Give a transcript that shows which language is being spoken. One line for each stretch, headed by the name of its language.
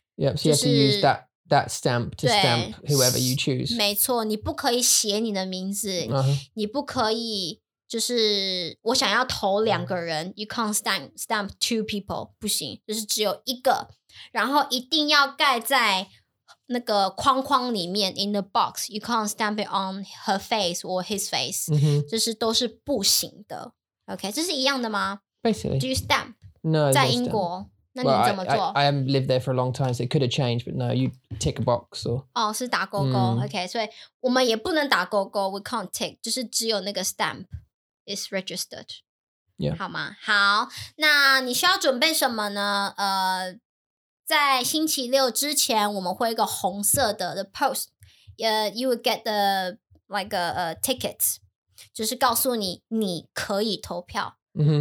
English: Yep, so you have to use that stamp to stamp whoever you choose.
Chinese: 没错，你不可以写你的名字， uh-huh. 你不可以就是我想要投两个人、uh-huh. ，
English: you can't stamp two people，
Chinese: 不行，就是只有一个，然后一定要盖在。那个框框里面
English: in the box you can't stamp it on her face or his face、 mm-hmm.
Chinese: 就是都是不行的 OK 这是一样的吗
English: basically do you stamp no
Chinese: 在英国那你怎么做
English: well, I haven't lived there for a long time so it could have changed but no you tick a box or
Chinese: 哦是打勾勾、mm. OK 所以我们也不能打勾勾
English: we can't tick
Chinese: 就是只有那个
English: stamp is registered、 yeah.
Chinese: 好吗好那你需要准备什么呢在星期六之前，我们会一个红色的
English: the post， you will get the like a ticket，
Chinese: 就是告诉你你可以投票。Mm-hmm.